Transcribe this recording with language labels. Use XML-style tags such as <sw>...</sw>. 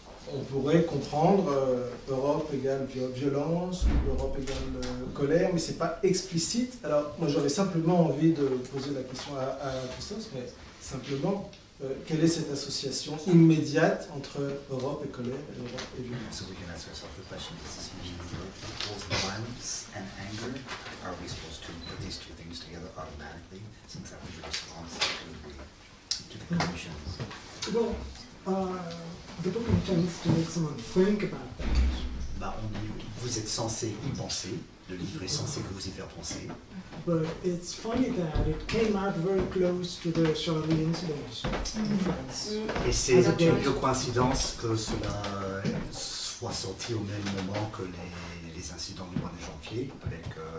<fr>On pourrait comprendre Europe égale violence, Europe égale colère, mais ce n'est pas explicite. Alors, moi, j'aurais simplement envie de poser la question à Christos, mais simplement, quelle est cette association immédiate entre Europe et colère et Europe et violence?</fr> <en>So we can ask ourselves the question, does this mean both violence and anger? Are we supposed to put these two things together automatically, since that was your response to the conditions? Bon, the book intends to make someone think about that.</en> <fr>Bah, on dit, vous êtes censé y penser. Le livre est censé que vous y faire penser.</fr> <en>But it's funny that it came out very close to the Charlie incident in France.</en> <fr>Et c'est une double coïncidence que cela soit sorti au même moment que les incidents du mois de janvier avec</fr>